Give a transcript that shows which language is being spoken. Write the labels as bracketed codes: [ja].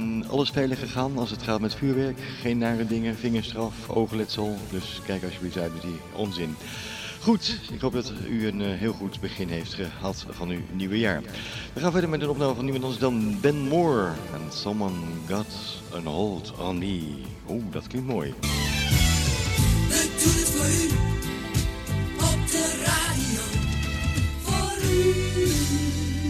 [nl] Alles veilig gegaan als het gaat met vuurwerk. Geen nare dingen, vingerstraf, oogletsel. Dus kijk alsjeblieft uit met die onzin. Goed, ik hoop dat u een heel goed begin heeft gehad van uw nieuwe jaar. We gaan verder met een opname van niemand anders dan Ben Moore. [en] And someone got a hold on me. [nl] Oeh, dat klinkt mooi. Ik doe het voor u, op de radio, voor u.